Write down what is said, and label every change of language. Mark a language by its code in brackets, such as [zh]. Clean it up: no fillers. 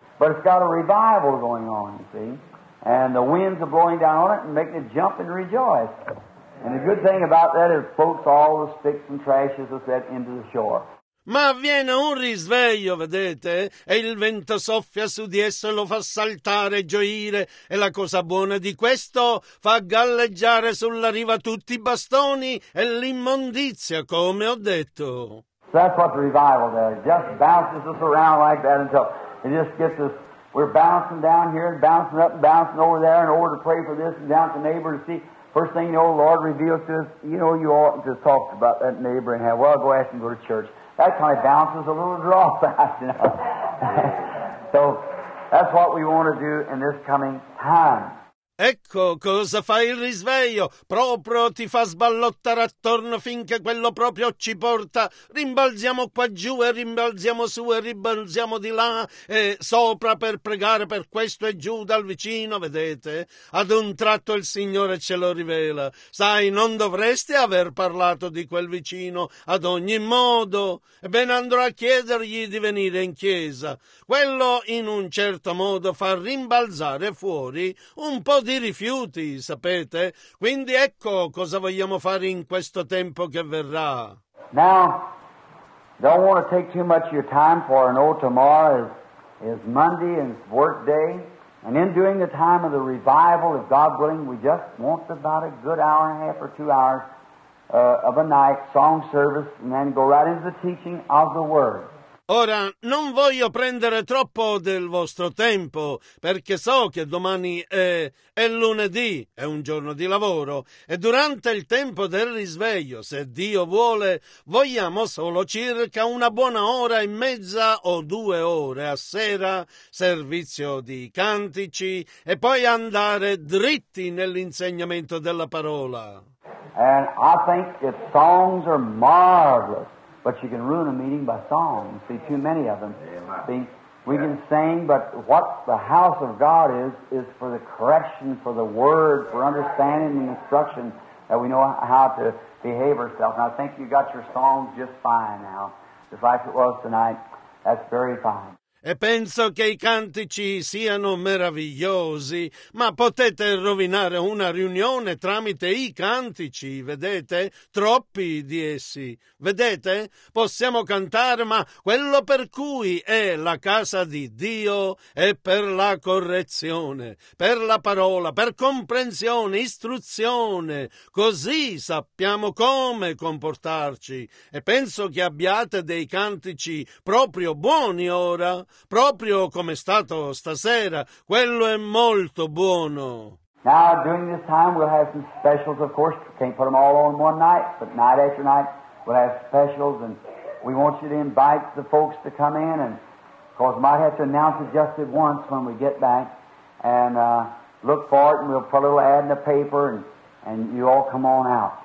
[en] But it's got a revival going on, you see. And the winds are blowing down on it and making it jump and rejoice. And the good thing about that is it floats all the sticks and trash as it's set into the shore. [it] Ma avviene un risveglio, vedete, e il vento soffia su di esso e lo fa saltare e gioire, e la cosa buona di questo fa galleggiare sulla riva tutti i bastoni e l'immondizia, come ho detto. [en] So that's what the revival does. It just bounces us around like that until it just gets us, we're bouncing down here and bouncing up and bouncing over there in order to pray for this and down to the neighbor to see. First thing you know, the Lord reveals to us, you know, you oughtn't to talk about that neighbor and have, well, go ask him to go to church. That kind of bounces a little draw fast, you know. So that's what we want to do in this coming time. [it] Ecco cosa fa il risveglio, proprio ti fa sballottare attorno finché quello proprio ci porta, rimbalziamo qua giù e rimbalziamo su e rimbalziamo di là e sopra per pregare per questo e giù dal vicino, vedete? Ad un tratto il Signore ce lo rivela, sai, non dovresti aver parlato di quel vicino, ad ogni modo, ebbene andrò a chiedergli di venire in chiesa, quello in un certo modo fa rimbalzare fuori un po' di rifiuti, sapete? Quindi ecco cosa vogliamo fare in questo tempo che verrà. [en] Now, don't want to take too much of your time for I know tomorrow is Monday and it's work day. And in doing the time of the revival, if God willing, we just want about a good hour and a half or 2 hours of a night, song service, and then go right into the teaching of the Word. [it] Ora, non voglio prendere troppo del vostro tempo, perché so che domani è lunedì, è un giorno di lavoro, e durante il tempo del risveglio, se Dio vuole, vogliamo solo circa una buona ora e mezza o 2 ore a sera, servizio di cantici, e poi andare dritti nell'insegnamento della parola. [en] And I think the songs are marvelous. But you can ruin a meeting by song. See, too many of them. Amen. See, we can sing, but what the house of God is for the correction, for the word, for understanding and instruction that we know how to behave ourselves. And I think you got your song just fine now, just like it was tonight. That's very fine. [it] E penso che i cantici siano meravigliosi, ma potete rovinare una riunione tramite i cantici, vedete? Troppi di essi, vedete? Possiamo cantare, ma quello per cui è la casa di Dio è per la correzione, per la parola, per comprensione, istruzione. Così sappiamo come comportarci. E penso che abbiate dei cantici proprio buoni ora. Proprio come è stato stasera, quello è molto buono. [en] Now, during this time, we'll have some specials, of course. Can't put them all on one night, but night after night, we'll have specials, and we want you to invite the folks to come in, and because we might have to announce it just at once when we get back, and look for it, and we'll put a little ad in the paper, and you all come on out.